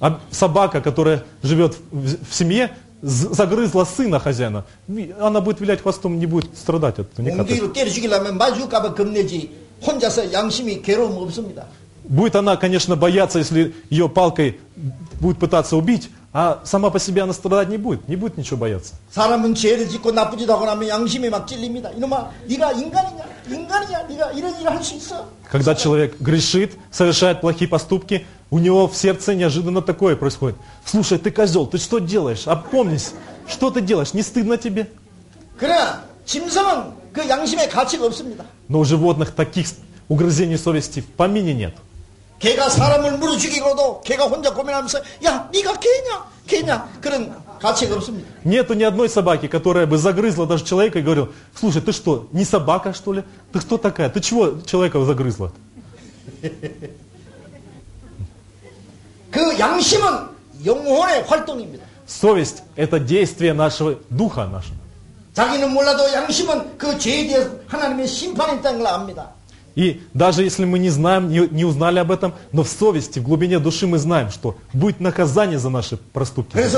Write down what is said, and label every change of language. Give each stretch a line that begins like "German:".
Russian: Собака, которая живет в семье, загрызла сына хозяина, она будет вилять хвостом, не будет страдать от никакой. Будет она, конечно, бояться, если ее палкой будет пытаться убить, а сама по себе она страдать не будет, не будет ничего бояться.
Korean: 사람은 죄를 짓고 나쁘지도 않으면 양심이 막 찔립니다. 이놈아, 네가 인간이냐? 인간이야? 네가 이런 일을 할 수 있어?
Russian: Когда человек грешит, совершает плохие поступки, у него в сердце неожиданно такое происходит. Слушай, ты козел, ты что делаешь? Опомнись, что ты делаешь? Не стыдно тебе?
Korean: 그래, 짐승은 그 양심의 가치가 없습니다.
Russian: Но у животных таких угрызений совести в помине нет.
Korean: 개가 사람을 물어 죽이고도 개가 혼자 고민하면서 야, 네가 개냐? 개냐? 그런 가치가 없습니다.
Russian: Нету ни одной собаки, которая бы загрызла даже человека и говорила: "Слушай, ты что, не собака, что ли? Ты кто такая? Ты чего человека загрызла?"
Korean: 그 양심은 영혼의 활동입니다.
Russian: Совесть это действие нашего духа нашего.
Korean: 자기는 몰라도 양심은 그 죄에 대해서 하나님의 심판이 있다는 걸 압니다.
Russian: И даже если мы не знаем, не узнали об этом, но в совести, в глубине души мы знаем, что будет наказание за наши проступки.